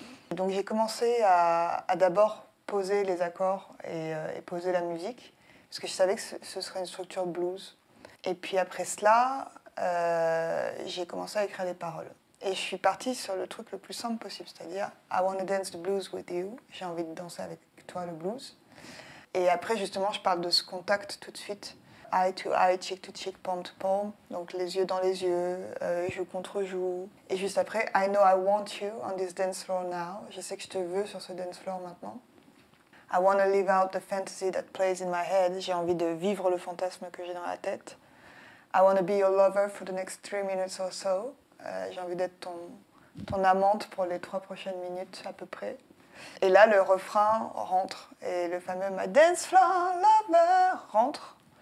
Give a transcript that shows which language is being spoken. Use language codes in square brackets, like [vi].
[fr] Donc j'ai commencé à d'abord poser les accords et poser la musique, parce que je savais que ce serait une structure blues. Et puis après cela, j'ai commencé à écrire des paroles. Et je suis partie sur le truc le plus simple possible, c'est-à-dire [en] I wanna dance the blues with you. [fr] J'ai envie de danser avec toi le blues. Et après, justement, je parle de ce contact tout de suite. [en] Eye to eye, cheek to cheek, palm to palm. [fr] Donc les yeux dans les yeux, joue contre joue. Et juste après, [en] I know I want you on this dance floor now. [fr] Je sais que je te veux sur ce dance floor maintenant. [en] I wanna live out the fantasy that plays in my head. [fr] J'ai envie de vivre le fantasme que j'ai dans la tête. [en] I wanna be your lover for the next 3 minutes or so. [fr] J'ai envie d'être ton amante pour les 3 prochaines minutes à peu près. Et là, le refrain rentre et le fameux My Dance Floor Lover rentre.